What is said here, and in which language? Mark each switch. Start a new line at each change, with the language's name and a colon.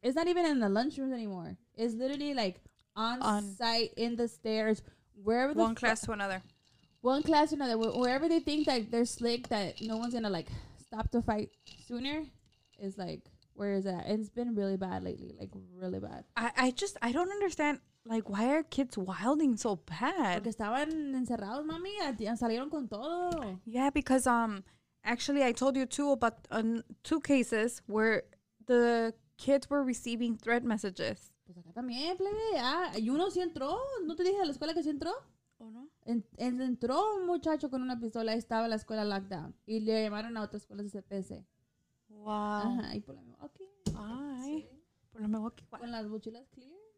English: It's not even in the lunchrooms anymore. It's literally like on site, in the stairs, wherever. One class to another. Wherever they think that they're slick, that no one's going to like stop the fight sooner, is like, where is that? And it's been really bad lately, like really bad. I don't understand, like, why are kids wilding so bad?
Spanish: Porque estaban encerrados, mami, salieron con todo.
English: Yeah, because actually I told you too about 2 cases where the kids were receiving threat messages.
Spanish: Pues acá también, plebe. Ah, y uno sí entró. ¿No te dije a la escuela que sí entró? Entró un muchacho con una pistola y estaba la escuela
English: locked down.
Spanish: Y le llamaron a otra escuela de CPC.
English: Wow.
Spanish: Ajá, y por la Milwaukee. Ay, sí. Por la Milwaukee. Con las mochilas clear.